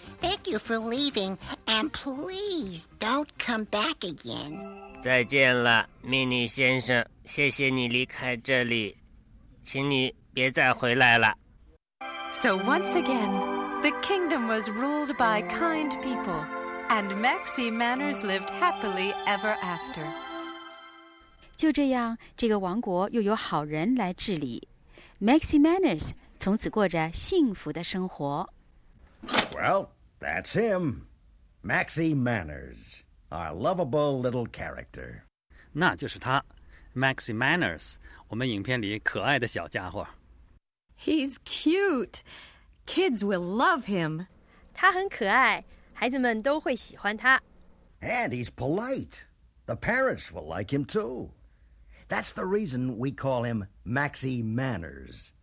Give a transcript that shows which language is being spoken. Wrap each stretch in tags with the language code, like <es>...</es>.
<en>Thank you for leaving, and please don't come back again.</en> <zh>再见了 ，Meanie 先生。谢谢你离开这里，请你别再回来了。</zh> <en>So once again, the kingdom was ruled by kind people, and Maxie Manners lived happily ever after.</en> <zh>就这样，这个王国又由好人来治理 ，Maxie Manners。从此过着幸福的生活。</zh> <en>Well, that's him. Maxie Manners, our lovable little character.</en> <zh>那就是他 ，Maxie Manners, 我们影片里可爱的小家伙。</zh> <en>He's cute. Kids will love him.</en> <zh>他很可爱，孩子们都会喜欢他。</zh> <en>And he's polite. The parents will like him too. That's the reason we call him Maxie Manners.</en>